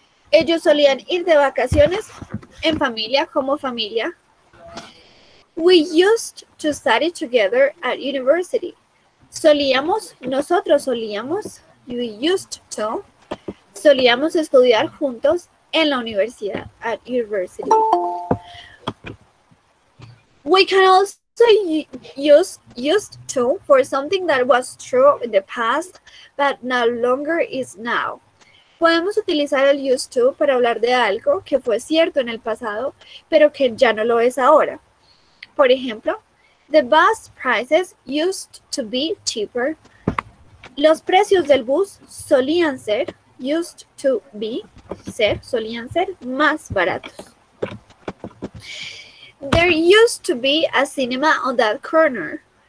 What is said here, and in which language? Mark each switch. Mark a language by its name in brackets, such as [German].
[Spanish] Ellos solían ir de vacaciones en familia, como familia. [English] We used to study together at university. [Spanish] Solíamos, nosotros solíamos, [English] we used to, [Spanish] solíamos estudiar juntos en la universidad, [English] at university. We can also used to for something that was true in the past, but no longer is now. [Spanish] Podemos utilizar el used to para hablar de algo que fue cierto en el pasado, pero que ya no lo es ahora. Por ejemplo, [English] the bus prices used to be cheaper. [Spanish] Los precios del bus solían ser, [English] used to be, [Spanish] ser, solían ser más baratos. [English] There used to be a cinema on that corner.